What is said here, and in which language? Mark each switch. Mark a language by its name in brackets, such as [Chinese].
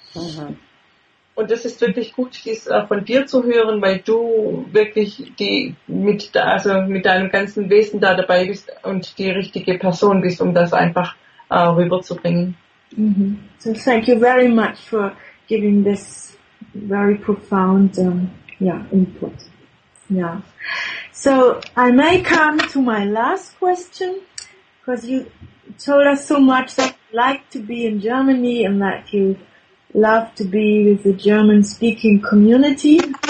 [German] Mm-hmm. Und das ist wirklich gut, dies von dir zu hören, weil du wirklich die mit da, also mit deinem ganzen Wesen da dabei bist und die richtige Person bist, um das einfach rüberzubringen. Mm-hmm. [English] So thank you very much for giving this very profound input. Yeah. So I may come to my last question, because you told us so much that you like to be in Germany and that you love to be with the German-speaking community.